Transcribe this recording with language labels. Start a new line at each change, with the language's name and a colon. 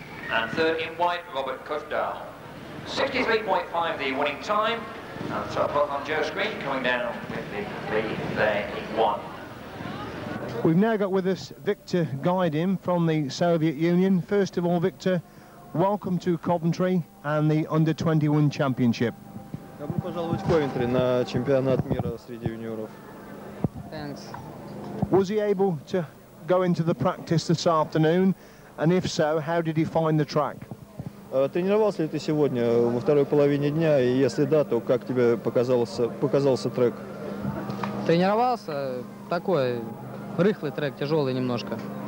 English: And third in white, Robert Kuzdal. 63.5 the winning time. And so both on Joe Screen coming down with the there in one. We've now got with us Viktor Gaidin from the Soviet Union. First of all, Viktor, welcome to Coventry and the Under 21 Championship.
Russian: Добро пожаловать в Coventry на чемпионат мира среди юниоров.
English: Thanks. Was he able to go into the practice this afternoon? And if so, how did he find the track?
Russian: Тренировался ли ты сегодня во второй половине дня? И если да, то как тебе показался трек? Тренировался, такой рыхлый трек, тяжелый немножко.